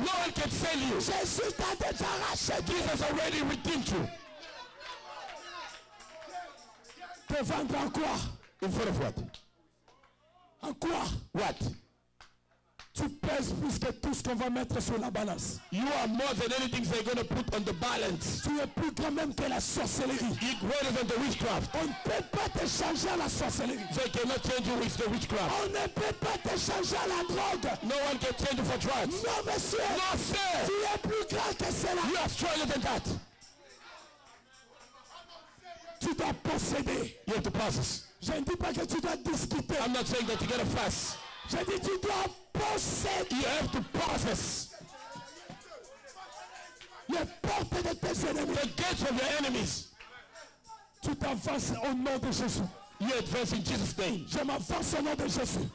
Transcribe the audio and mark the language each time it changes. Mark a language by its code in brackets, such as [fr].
[en] No one can sell you. [fr] Jésus t'a déjà racheté. [en] Jesus has already redeemed you. [fr] Te vendre en quoi? [en] In front of what? [fr] En quoi? [en] What? [fr] Tu pèses plus que tout ce qu'on va mettre sur la balance. [en] You are more than anything they're going to put on the balance. [fr] Tu es plus grand même que la sorcellerie. [en] You're greater than the witchcraft. [fr] On ne peut pas te changer à la sorcellerie. [en] They cannot change you with the witchcraft. [fr] On ne peut pas te changer à la drogue. [en] No one can change you for drugs. [fr] Non, monsieur. [en] Non, sir. [fr] Tu es plus grand que cela. [en] You are stronger than that. [fr] Tu dois posséder. [en] You have to possess. [fr] Je ne dis pas que tu dois discuter. [en] I'm not saying that you get a fuss. [fr] Je dis tu dois posséder. [en] You have to possess. [fr] Les portes de tes ennemis. [en] The gates of your enemies. [fr] Tu t'avances au nom de Jésus. [en] You advance in Jesus' name. [fr] Je m'avance au nom de Jésus.